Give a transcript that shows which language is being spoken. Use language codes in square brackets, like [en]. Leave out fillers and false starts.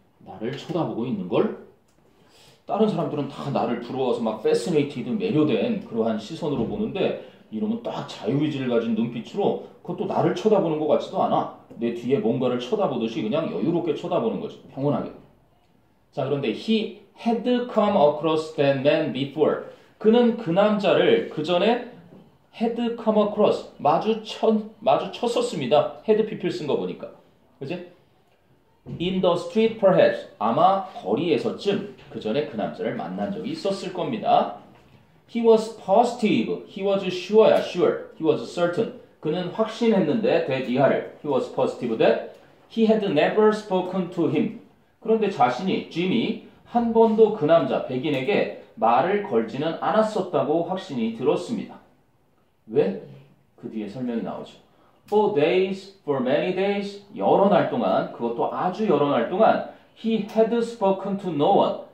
[ko] 나를 쳐다보고 있는 걸. 다른 사람들은 다 나를 부러워서 막 fascinated, 매료된 그러한 시선으로 보는데 이놈은 딱 자유의지를 가진 눈빛으로 그것도 나를 쳐다보는 것 같지도 않아. 내 뒤에 뭔가를 쳐다보듯이 그냥 여유롭게 쳐다보는 거지. 평온하게. 자, 그런데 [en] he had come across that man before. [ko] 그는 그 남자를 그 전에 [en] had come across, [ko] 마주쳤었습니다. [en] had people [ko] 쓴 거 보니까. 그지? [en] In the street perhaps. [ko] 아마 거리에서쯤 그 전에 그 남자를 만난 적이 있었을 겁니다. [en] He was positive. He was sure. Yeah, sure. He was certain. [ko] 그는 확신했는데 that 이하를. [en] He was positive that he had never spoken to him. [ko] 그런데 자신이, Jim이 한 번도 그 남자, 백인에게 말을 걸지는 않았었다고 확신이 들었습니다. 왜? 그 뒤에 설명이 나오죠. [en] For days, for many days, [ko] 여러 날 동안, 그것도 아주 여러 날 동안, [en] he had spoken to no one.